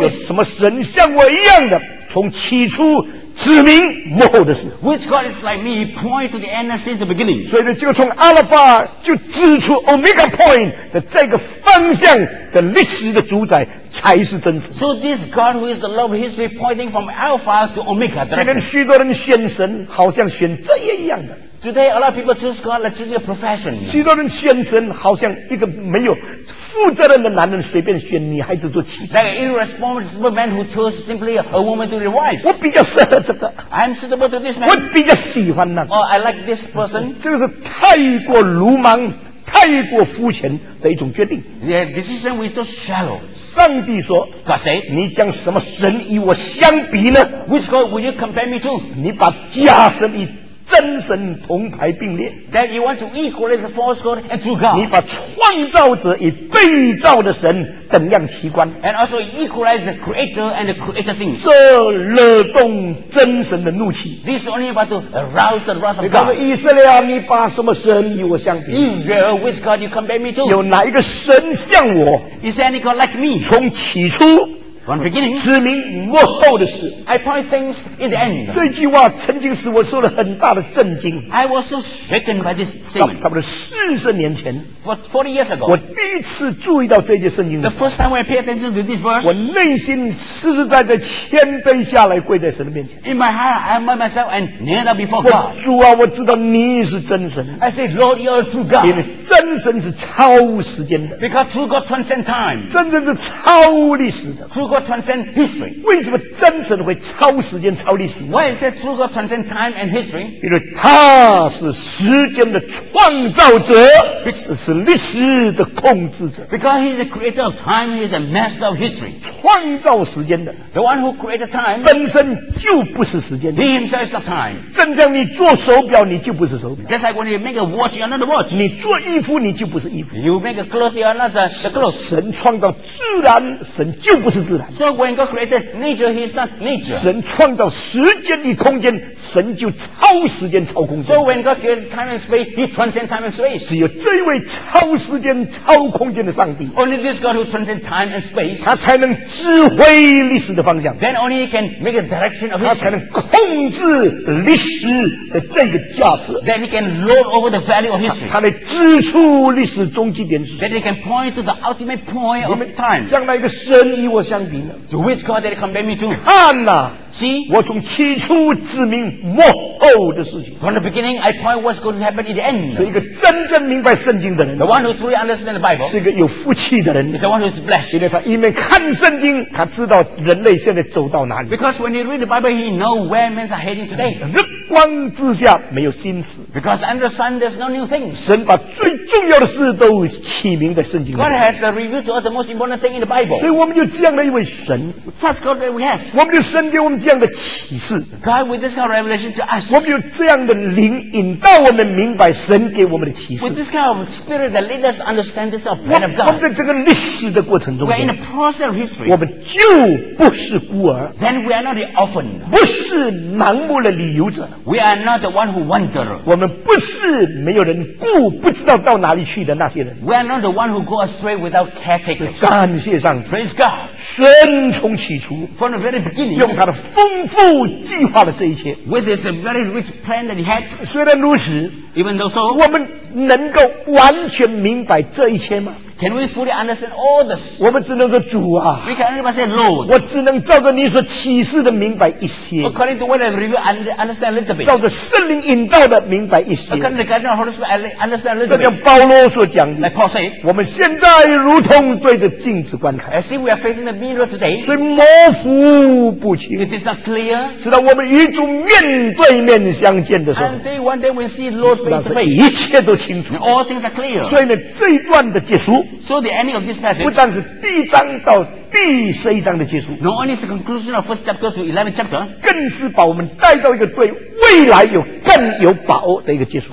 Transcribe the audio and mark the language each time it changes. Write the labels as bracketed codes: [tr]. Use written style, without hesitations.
[zh] 有什么神像我一样的？从起初指明幕后的事 [en] Which God is like me point to the end and since the beginning [zh] 所以呢就从阿拉巴就指出 Omega Point 的这个方向的历史的主宰才是真实。 [en] So this God who is the love history pointing from Alpha to Omega. [zh] 今天许多人选神，好像选职业一样的。 [en] Today a lot of people choose God like choosing a profession. [zh] 许多人选神，好像一个没有负责任的男人随便选女孩子做妻子。 [en] Like an irresponsible man who chose simply a woman to be wife. [zh] 我比较适合这个。 [en] I'm suitable to this man. [zh] 我比较喜欢那个。 [en] Or I like this person. [zh] 这个是太过鲁莽。太过肤浅的一种决定。 [en] Yeah, decision was too shallow. [zh] 上帝说 [en] ，God say， [zh] 你将什么神与我相比呢 [en] ？Which God will you compare me to？ [zh] 你把假神与真神同排并列。 [en] That you want to equalize the false God and true God？ [zh] 你把创造者与被造的神等量齐观。 [en] And also equalize the creator and the created things。 [zh] 这惹动真神的怒气。 [en] This is only about to arouse the wrath of God。 [zh] 你告诉以色列，你把什么神与我相比 [en] ？Israel, which God you compare me to？ [zh] 有哪一个神像我 [en] ？Is there any God like me？ [zh] 从起初。 [en] From the beginning, [zh] 指明末后的事 [en] I point things in the end. [zh] 这句话曾经使我受了很大的震惊 [en] I was so shaken by this statement. [zh] 差不多40年前 [en] 40 years ago, [zh] 我第一次注意到这节圣经 [en] The first time I paid attention to this verse, [zh] 我内心实实在在谦卑下来跪在神的面前 [en] In my heart, I humbled myself and kneeled before God. [zh] 主啊我知道你是真神 [en] I said, Lord, you are true God. [zh] 因为真神是超乎时间的 [en] Because true God transcends time. [zh] 真神是超乎历史的 [en] True God transcend history. [zh] 为什么真神会超时间超历史 [en] Why is that true God transcend time and history? [zh] 因为他是时间的创造者 是历史的控制者 [en] Because he is the creator of time, he is the master of history. [zh] 创造时间的 [en] The one who created time [zh] 本身就不是时间的 [en] He himself is the time. [zh] 正像你做手表你就不是手表 [en] Just like when you make a watch, you are not a watch. [zh] 你做衣服你就不是衣服 [en] You make a cloth, you are not the cloth. [zh] 神创造自然神就不是自然 [en] So when God created nature, He is not nature. [zh] 神创造时间与空间，神就超时间超空间。 [en] So when God created time and space, He transcends time and space. [zh] 只有这位超时间超空间的上帝 [en] ，Only this God who transcends time and space， [zh] 他才能指挥历史的方向。 [en] Then only He can make a direction of history. [zh] 他才能控制历史的这个价值。 [en] Then He can lord over the value of history. [zh] 他来指出历史终极点。 [en] Then He can point to the ultimate point of time. [zh] 将来一个神与我相。 [en] To which God did he compare me to? [zh] 看哪、啊、 [en] ，See， [zh] 我从起初指明末后的事情。 [en] From the beginning, I point what's going to happen in the end. [zh] 是一个真正明白圣经的人。 [en] The one who truly understands the Bible. [zh] 是一个有福气的人。 [en] Is the one who is blessed. [zh] 因为他一面看圣经，他知道人类现在走到哪里。 [en] Because when he read the Bible, he know where men are heading today. [zh] 日光之下没有新事。 [en] Because under the sun, there's no new things. [zh] 神把最重要的事都起名在圣经里。 [en] God has revealed to us the most important thing in the Bible. [zh] 所以我们就这样的一位。神 [en] Such God that we have. [zh] 我们就神给我们这样的启示 [en] God with this kind of revelation to us [zh] 我们有这样的灵引导我们明白神给我们的启示 [en] With this kind of spirit that lets us understand this of plan of God [zh] 我们在这个历史的过程中 [en] We are in the process of history [zh] 我们就不是孤儿 [en] Then we are not the orphan [zh] 不是盲目的旅游者 [en] We are not the one who wander [zh] 我们不是没有人顾不知道到哪里去的那些人 [en] We are not the one who go astray without caretakers [zh] 感谢上帝 [en] Praise God [zh] 神从起初 [en] From the very beginning, [zh] 用他的丰富计划了这一切 [en] With this very rich plan that he had [zh] 虽然如此 [en] Even though so [zh] 我们能够完全明白这一切吗 [en] Can we fully understand all this [zh] 我们只能说主啊 [en] We can only say Lord [zh] 我只能照着你所启示的明白一些 [en] According to what I revealed understand a little bit [zh] 照着圣灵引导的明白一些 [en] According to the guidance of the Holy Spirit understand a little bit [zh] 这像保罗所讲的 [en] Like Paul said [zh] 我们现在如同对着镜子观看 [en] I see we are facing the mirror today [zh] 所以模糊不清 [en] It is not clear [zh] 直到我们与主面对面相见的时候 [en] And day one day we see Lord face to face [zh] 一切都清楚 [en] All things are clear [zh] 所以呢这一段的结束 [en] So the ending of this passage [zh] 不但是第一章到第十一章的结束 [en] Not only is the conclusion of first chapter to 11th chapter [zh] 更是把我们带到一个对未来有更有把握的一个结束